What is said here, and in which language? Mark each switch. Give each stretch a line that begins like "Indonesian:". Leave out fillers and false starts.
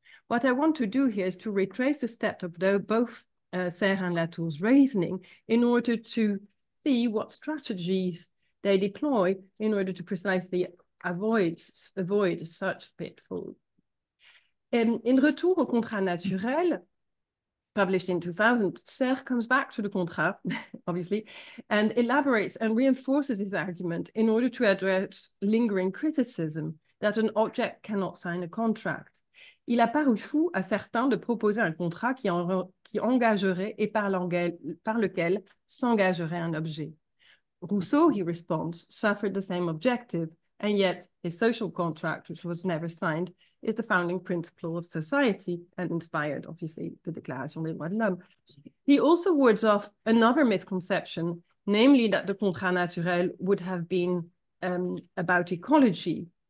English: What I want to do here is to retrace the steps of both Serres and Latour's reasoning in order to see what strategies they deploy in order to precisely avoid such pitfalls. In Retour au Contrat Naturel, published in 2000, Serres comes back to the contrat, obviously, and elaborates and reinforces his argument in order to address lingering criticism. that an object cannot sign a contract.
French: Il a paru fou à certains de proposer un contrat qui engagerait et par lequel s'engagerait un objet.
English: Rousseau, he responds, suffered the same objective, and yet his social contract, which was never signed, is the founding principle of society and inspired, obviously, the Déclaration des droits de l'homme. He also wards off another misconception, namely that the contrat naturel would have been about ecology.